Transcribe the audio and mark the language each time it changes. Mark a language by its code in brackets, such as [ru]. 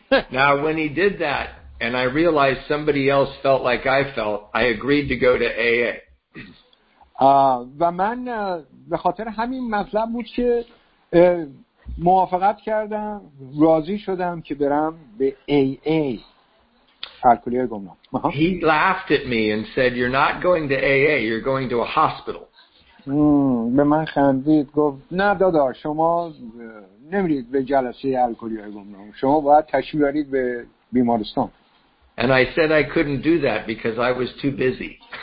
[en] Now when he did that and I realized somebody else felt like I felt, I agreed to go to AA. [fa] و من به خاطر همین مطلب بود که موافقت کردم راضی شدم که برم به AA. [en] He laughed at me and said, "You're not going to AA, you're going to a hospital." [fa] به من خندید گفت نه دادار شما نمیرید به جلسه الکلی های گمنام شما باید تشریف برید به بیمارستان. [en] And I said I couldn't do that because I was too busy.